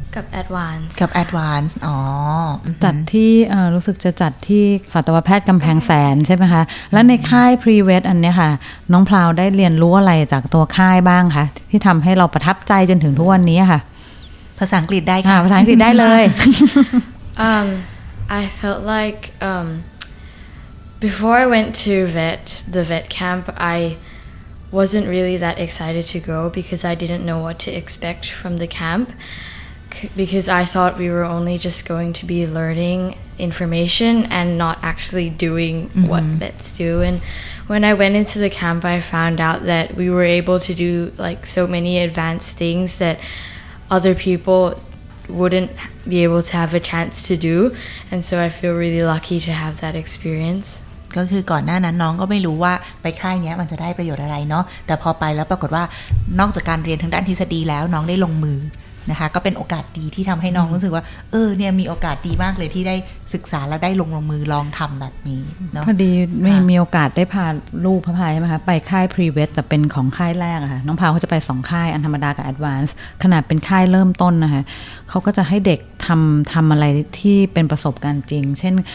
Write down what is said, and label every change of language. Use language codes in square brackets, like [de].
[th] กับ Advance กับ Advance อ๋อ จัดที่รู้สึกจะจัดที่สัตวแพทย์กำแพงแสนใช่ไหมคะและในค่าย Prevet อันนี้ค่ะน้องพราวได้เรียนรู้อะไรจากตัวค่ายบ้างคะที่ทำให้เราประทับใจจนถึงทุกวันนี้ค่ะ ภาษาอังกฤษได้ค่ะ ภาษาอังกฤษได้เลย [en] I felt like before I went to the vet camp IWasn't really that excited to go because I didn't know what to expect from the camp because I thought we were only just going to be learning information and not actually doing what vets do. And when I went into the camp, I found out that we were able to do like so many advanced things that other people wouldn't be able to have a chance to do. And so I feel really lucky to have that experience. [th] ก็คือก่อนหน้านั้นน้องก็ไม่รู้ว่าไปค่ายเนี้ยมันจะได้ประโยชน์อะไรเนาะแต่พอไปแล้วปรากฏว่านอกจากการเรียนทางด้านทฤษฎีแล้วน้องได้ลงมือนะคะก็เป็นโอกาสดีที่ทำให้น้องรู้สึกว่าเออเนี่ยมีโอกาสดีมากเลยที่ได้ศึกษาและได้ลงมือลองทำแบบนี้เน า ะ พอดีไม่มีโอกาสได้พาลูกพะพายใช่ไหมคะไปค่ายพรีเวทแต่เป็นของค่ายแรกอะค่ะน้องพาวเขาจะไป2 ค่ายอันธรรมดากับแอดวานซ์ขนาดเป็นค่ายเริ่มต้นนะคะเขาก็จะให้เด็กทำอะไรที่เป็นประสบการณ์จริงเช่น